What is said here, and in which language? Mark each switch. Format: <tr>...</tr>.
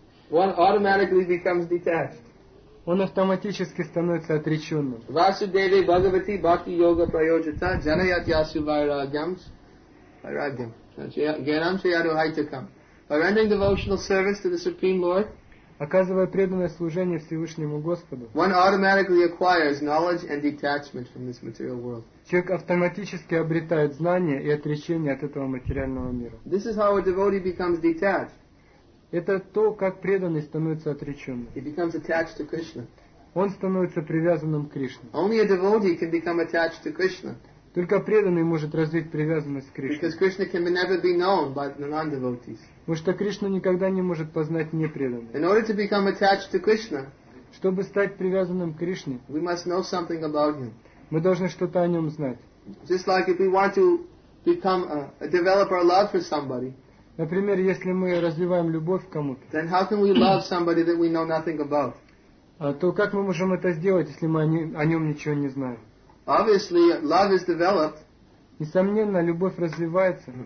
<en>one automatically becomes detached.</en> <ru>Он автоматически становится отреченным.</ru> <sa>Васудеве Бхагавати Бхакти Йога Прайоджита Джанаятьясу Вайрагьям Вайрагьям Генам Чаяру Хайтакам.</sa> <en>By rendering devotional service to the Supreme Lord,</en> <ru>оказывая преданное служение Всевышнему Господу,</ru> <en>one automatically acquires knowledge and detachment from this material world.</en> <ru>Человек автоматически обретает знания и отречение от этого материального мира.</ru> <en>This is how a devotee becomes detached.</en> <ru>Это то, как преданный становится отреченным.</ru> <en>He becomes attached to Krishna.</en> <ru>Он становится привязанным к Кришне.</ru> <en>Only a devotee can become attached to Krishna.</en> <ru>Только преданный может развить привязанность к Кришне.</ru> <en>Because Krishna can never be known by the non-devotees.</en> <ru>Потому что Кришна никогда не может познать непреданных.</ru> <en>In order to become attached to Krishna,</en> <ru>чтобы стать привязанным к Кришне,</ru> <en>we must know something about him.</en> <ru>Мы должны что-то о нем знать.</ru> <en>Just like if we want to become develop our love for somebody,</en> <ru>например, если мы развиваем любовь к кому-то,</ru> <en>then how can we love somebody that we know nothing about?</en> <ru>То как мы можем это сделать, если мы о нем ничего не знаем?</ru> <en>Obviously, love is developed,</en> <ru>несомненно, любовь развивается,</ru>